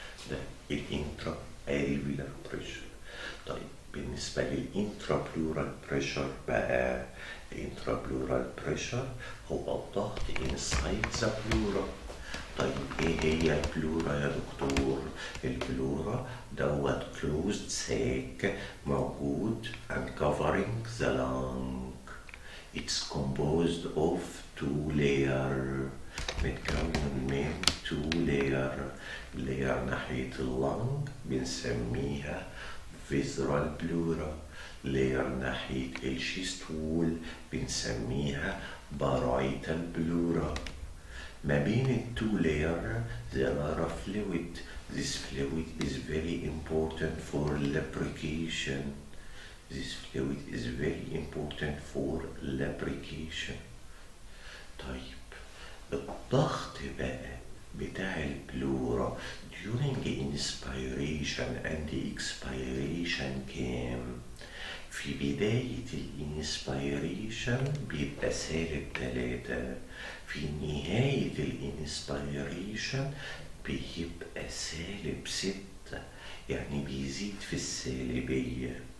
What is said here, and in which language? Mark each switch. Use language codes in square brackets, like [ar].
[ar] ده الانترا اريبيولار بريشر. طيب بالنسبه للانترا بلورال بريشر بقى، الانترا بلورال بريشر هو الضغط انسايد ذا بلورا. طيب ايه هي البلورا يا دكتور؟ البلورا دوت كلوزد ساك موجود [en] and covering the lung. It's composed of two layer، [ar] متكون من [en] two layer. [ar] layer ناحية اللنج بنسميها visceral pleura، layer ناحية الشيست وول بنسميها parietal pleura. ما بين التو لاير [en] there are a fluid. This fluid is very important for lubrication. This fluid is very important for lubrication. [ar] طيب الضغط بقى بتاع البلورا [en] during inspiration and expiration [ar] كام؟ في بداية الانسبيريشن بيبقى سالب 3، في نهاية الانسبيريشن بيبقى سالب 6، يعني بيزيد في السالبية.